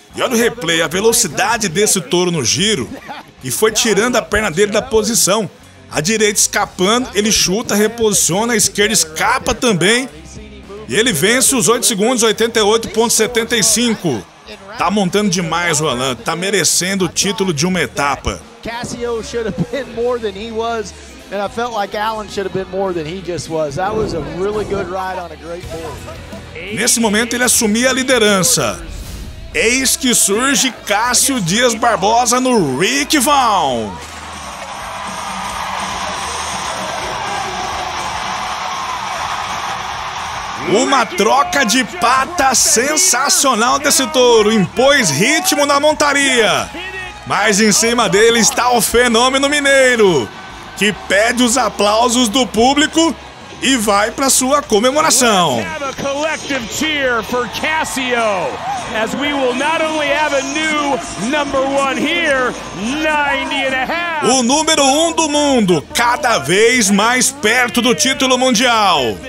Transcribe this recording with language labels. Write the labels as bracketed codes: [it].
[pt] E olha o replay, a velocidade desse touro no giro. E foi tirando a perna dele da posição. A direita escapando, ele chuta, reposiciona, a esquerda escapa também. E ele vence os 8 segundos, 88.75. Tá montando demais o Alan, tá merecendo o título de uma etapa. [en] Cassio should have been more than he was. And I felt like Alan should have been more than he just was. That was a really good ride on a great board. [pt] Nesse momento ele assumia a liderança. Eis que surge Cássio Dias Barbosa no Rick Vaughn. Uma troca de pata sensacional desse touro. Impôs ritmo na montaria. Mas em cima dele está o fenômeno mineiro, que pede os aplausos do público e vai para sua comemoração. [en] Let's have a collective cheer for Cassio, as we will not only have a new number one here, 90.5. [pt] O número um do mundo, cada vez mais perto do título mundial.